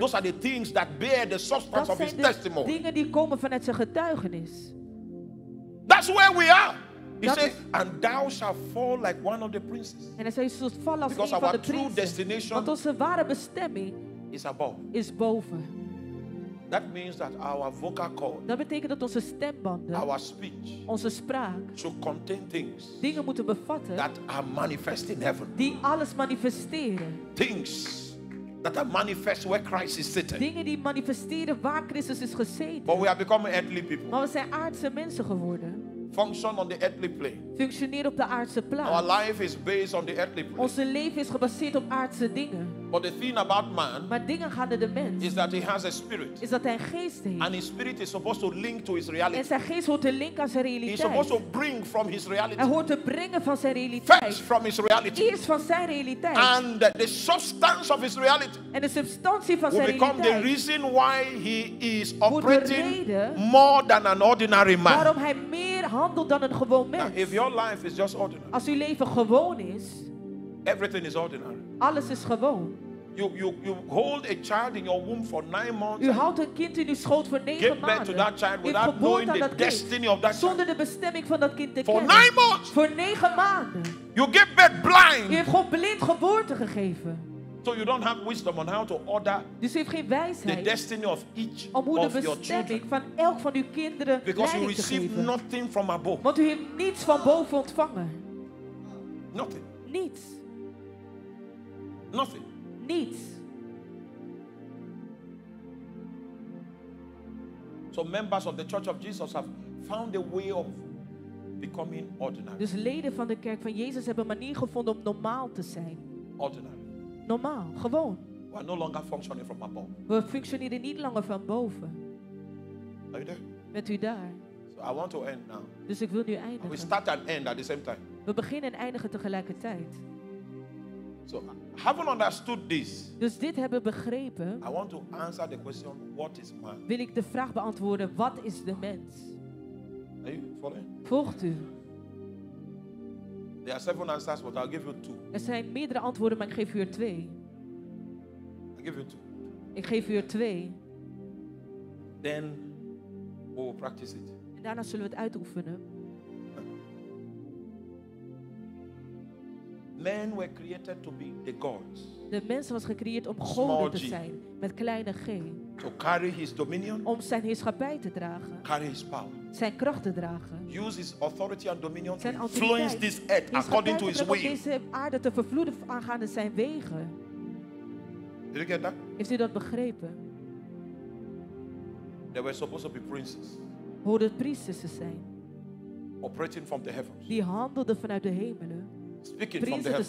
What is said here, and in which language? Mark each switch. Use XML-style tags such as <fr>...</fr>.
<en>those are the things that bear the substance of his testimony.</en> <nl>Dat zijn de dingen die komen vanuit zijn getuigenis.</nl> <en>That's where we are. He says, and thou shalt fall like one of the princes.</en> <nl>En hij zei, je zult vallen als</nl> <en>because</en> <nl>een van de</nl> <en>true princes. Destination,</en> <nl>want onze ware bestemming</nl> <en>is above.</en> <nl>Is boven.</nl> <en>That means that our vocal cord,</en> <nl>dat betekent dat onze stembanden,</nl> <en>our speech,</en> <nl>onze spraak,</nl> <en>should contain things,</en> <nl>dingen moeten bevatten,</nl> <en>that are manifest in heaven,</en> <nl>die alles manifesteren,</nl> <en>things that are manifest where Christ is sitting,</en> <nl>dingen die manifesteren waar Christus is gezeten.</nl> <en>But we have become earthly people,</en> <nl>maar we zijn aardse mensen geworden.</nl> <en>Function on the earthly plane.</en> <nl>Functioneer op de aardse plaats.</nl> <en>Our life is based on the earthly plane.</en> <nl>Onze leven is gebaseerd op aardse dingen.</nl> <en>But the thing about man,</en> <nl>maar dingen gaan naar de mens.</nl> <en>Is that he has a spirit.</en> <nl>Is dat hij een geest heeft.</nl> <en>And his spirit is supposed to link to his reality.</en> <nl>En zijn geest hoort te linken aan zijn realiteit.</nl> <en>He's supposed to bring from his reality.</en> <nl>Hij hoort te brengen van zijn realiteit.</nl> <en>First from his reality.</en> <nl>Eerst van zijn realiteit.</nl> <en>And the substance of his reality.</en> <nl>En de substantie van zijn realiteit.</nl> <en>Will become the reason why he is operating more than an ordinary man.</en> <nl>Waarom hij meer handelt dan een gewoon mens.</nl> <en>Now, if your life is just ordinary,</en> <nl>als uw leven gewoon is,</nl> <en>everything is ordinary.</en> <nl>Alles is gewoon.</nl> <en>You hold a child in your womb for 9 months.</en> <nl>U houdt een kind in uw schoot voor 9 maanden.</nl> <en>Give birth to that child without knowing the destiny of that child.</en> <nl>Zonder de bestemming van dat kind te</nl> <en>for</en> <nl>kennen.</nl> <en>For 9 months.</en> <nl>Voor 9 maanden.</nl> <en>You give birth blind.</en> <nl>U heeft God blind geboorte gegeven.</nl> <en>So you don't have wisdom on how to order</en> <nl>dus heeft geen wijsheid</nl> <en>the destiny of each</en> <nl>om hoe de</nl> <en>of your children</en> <nl>van elk van uw kinderen</nl> <en>because you receive nothing from above.</en> <nl>Want u heeft niets van boven ontvangen.</nl> <en>Nothing.</en> <nl>Niets.</nl> <en>Nothing.</en> <nl>Niets.</nl> <en>So members of the Church of Jesus have found a way of becoming ordinary.</en> <nl>Dus leden van de kerk van Jezus hebben een manier gevonden om normaal te zijn.</nl> <en>Ordinary.</en> <nl>Normaal, gewoon.</nl> <en>We are no longer functioning from above.</en> <nl>We functioneren niet langer van boven.</nl> <en>Are you there?</en> <nl>Bent u daar?</nl> <en>So I want to end now.</en> <nl>Dus ik wil nu eindigen.</nl> <en>And we start and end at the same time.</en> <nl>We beginnen en eindigen tegelijkertijd.</nl> <en>So, having understood this,</en> <nl>dus dit hebben begrepen.</nl> <en>I want to answer the question, what is man?</en> <nl>Wil ik de vraag beantwoorden, wat is de mens?</nl> <en>Are you following?</en> <nl>Volgt u?</nl> <en>There are 7 answers, but I'll give you 2.</en> <nl>Er zijn meerdere antwoorden, maar ik geef u er 2.</nl> <en>I'll give you 2.</en> <nl>Ik geef u er 2.</nl> <en>Then we will practice it.</en> <nl>En daarna zullen we het uitoefenen.</nl> <en>Men were created to be the gods.</en> <nl>De mens was gecreëerd om goden te zijn, met kleine g.</nl> <en>To carry his dominion.</en> <nl>Om zijn heerschappij te dragen.</nl> <en>Carry his power.</en> <nl>Zijn kracht te dragen.</nl> <en>Use his authority and dominion</en> <nl>zijn</nl> <en>to influence this earth according to his way.</en> <nl>Om deze aarde te vervloeden aangaande zijn wegen.</nl> <en>Did you get that?</en> <nl>Heeft u dat begrepen?</nl> <en>They were supposed to be princes.</en> <nl>Hoorden priesters te zijn.</nl> <en>Operating from the heavens.</en> <nl>Die handelden vanuit de hemelen.</nl> <en>speaking from the heavens.</en>